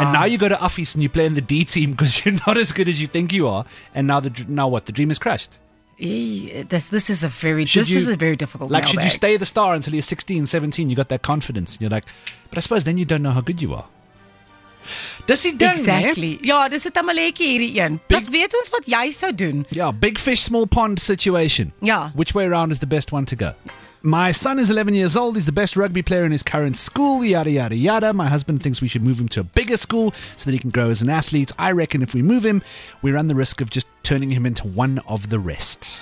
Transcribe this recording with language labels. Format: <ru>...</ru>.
<en>And now you go to Uffies and you play in the D team because you're not as good as you think you are. And now what? The dream is crushed. This is a very difficult mailbag. Should you stay the star until you're 16, 17? You got that confidence. And you're like, but I suppose then you don't know how good you are.</en> <af>Dis die ding,</af> <en>exactly.</en> <af>Nee? Ja, dis 'n tamaletjie hierdie een. Wat weet ons wat jy sou doen?</af> <en>Ja, big fish, small pond situation.</en> <af>Ja.</af> <en>Which way around is the best one to go? My son is 11 years old. He's the best rugby player in his current school. Yada, yada, yada. My husband thinks we should move him to a bigger school so that he can grow as an athlete. I reckon if we move him, we run the risk of just turning him into one of the rest.</en>